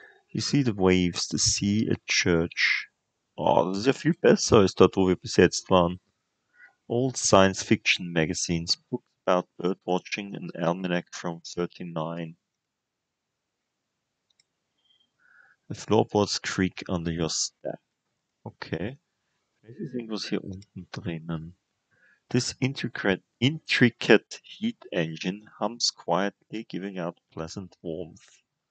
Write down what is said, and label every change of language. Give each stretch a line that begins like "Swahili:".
English: You see the waves, the sea, a church.
German: Oh, das ist ja viel besser als dort, wo wir bis jetzt waren.
English: Old science fiction magazines, books about bird watching and almanac from 39. The floorboards creak under your step.
German: Okay. Vielleicht ist irgendwas hier unten drinnen.
English: This intricate heat engine hums quietly, giving out pleasant warmth.